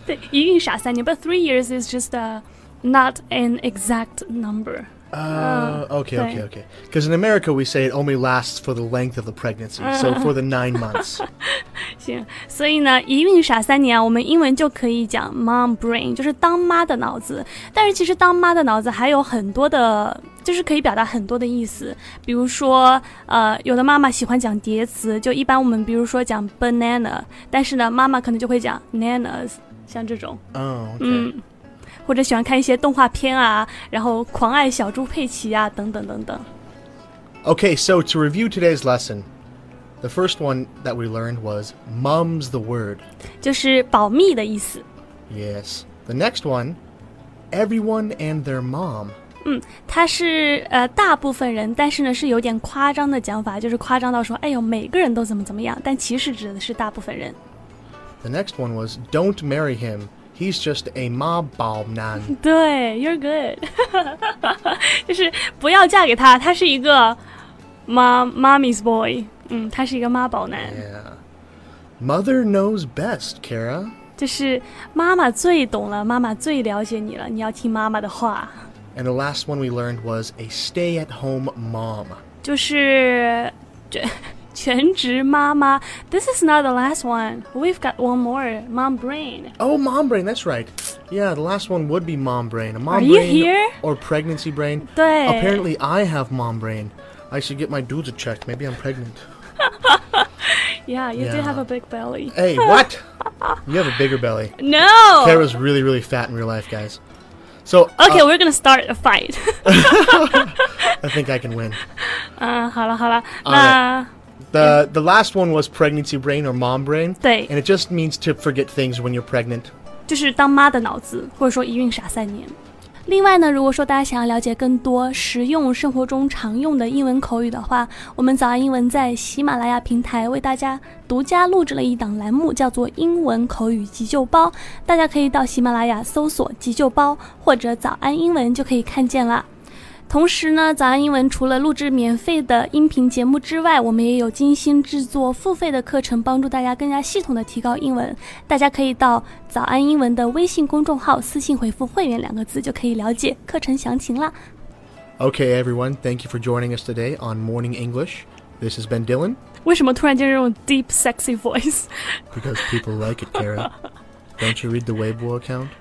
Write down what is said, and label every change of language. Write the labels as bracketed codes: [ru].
[zh] 对一孕傻三年 [en] But 3 years is just not an exact number Okay. Because in America, we say it only lasts for the length of the pregnancy, so for the 9 months. [zh] 行，所以呢，一孕傻三年，我们英文就可以讲 mom brain, 就是当妈的脑子。但是其实当妈的脑子还有很多的，就是可以表达很多的意思。比如说，有的妈妈喜欢讲叠词，就一般我们比如说讲 banana, 但是呢，妈妈可能就会讲 nanas, 像这种。或者喜欢看一些动画片啊，然后狂爱小猪佩奇啊，等等等等。 [en] Okay, so to review today's lesson, the first one that we learned was mum's the word. [zh] 就是保密的意思。 [en] Yes. The next one, everyone and their mom. [zh] 它是大部分人，但是呢是有点夸张的讲法，就是夸张到说，哎呦，每个人都怎么怎么样，但其实指的是大部分人。 [en] The next one was don't marry him. He's just a mob bomb man. [zh] 对 [en] you're good. [zh] 就是不要嫁给他他是一个 [en] mommy's boy. [zh] 他是一个妈宝男。 [en] Yeah. Mother knows best, Kara. [zh] 就是妈妈最懂了妈妈最了解你了你要听妈妈的话。 [en] And the last one we learned was a stay-at-home mom. [zh] 就是全职妈妈 [en] This is not the last one. We've got one more. Mom brain. Oh, mom brain. That's right. Yeah, the last one would be mom brain. Mom Are you brain here? Or pregnancy brain. [zh] 对 [en] Apparently, I have mom brain. I should get my dudes checked. Maybe I'm pregnant. yeah, you yeah. do have a big belly. hey, what? You have a bigger belly. No. Kara's really, really fat in real life, guys. So, okay, we're going to start a fight. I think I can win. [zh] 好了 [en] The last one was pregnancy brain or mom brain. [zh] 对 [en] And it just means to forget things when you're pregnant. [zh] 就是当妈的脑子或者说一孕傻三年。另外呢如果说大家想要了解更多实用生活中常用的英文口语的话我们早安英文在喜马拉雅平台为大家独家录制了一档栏目叫做英文口语急救包。大家可以到喜马拉雅搜索急救包或者早安英文就可以看见了。同时呢，早安英文除了录制免费的音频节目之外，我们也有精心制作付费的课程，帮助大家更加系统的提高英文。大家可以到早安英文的微信公众号私信回复会员两个字，就可以了解课程详情了。 [en] Okay everyone, thank you for joining us today on Morning English. This has been Dylan. [zh] 为什么突然间用 [en] deep sexy voice? Because people like it, Kara. Don't you read the Weibo account?